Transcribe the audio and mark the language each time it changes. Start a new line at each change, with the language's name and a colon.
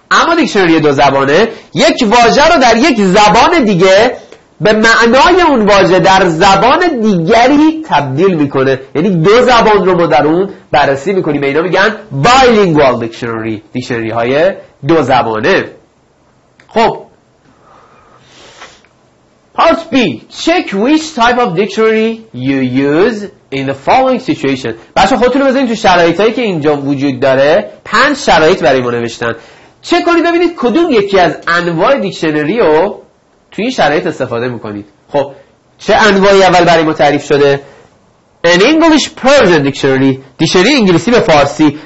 Persian: اما دیکشنری دو زبانه یک واژه رو در یک زبان دیگه به معنای اون واژه در زبان دیگری تبدیل میکنه. یعنی دو زبان رو ما در اون بررسی میکنیم. اینا میگن bilingual dictionary، دیکشنری های دو زبانه.
English: خب part B، check which type of dictionary you use in the following situation.
Persian: بچه خودتون رو بزنید تو شرایط هایی که اینجا وجود داره. پنج شرایط برای ما نوشتن. چک کنید ببینید کدوم یکی از انواع دیکشنری رو توی این شرایط استفاده میکنید. خب چه انواعی اول برای ما تعریف شده؟
English: An English Persian Dictionary،
Persian: دیکشنری انگلیسی به فارسی.